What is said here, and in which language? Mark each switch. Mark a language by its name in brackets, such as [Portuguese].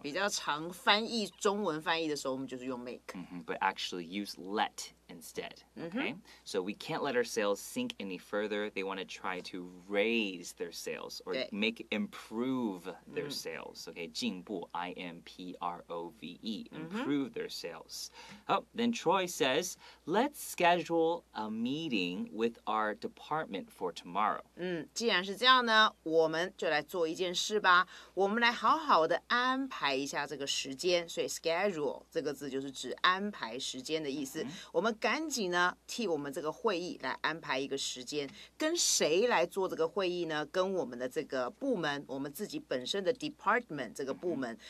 [Chinese] 比较常翻译中文翻译的时候，我们就是用 make. [English] But actually use let instead. Okay, so we can't let our sales sink any further. They want to try to raise their sales or improve their sales. Okay, 进步 I-M-P-R-O-V-E, improve their sales. Oh, then Troy says, let's schedule a meeting with our department for tomorrow. [Chinese] 既然是这样呢，我们就来做一件事吧，我们来好好的安排一下这个时间。所以 schedule 这个字就是指安排时间的意思。我们赶紧呢替我们这个会议来安排一个时间。跟谁来做这个会议呢？跟我们的这个部门，我们自己本身的 department 这个部门。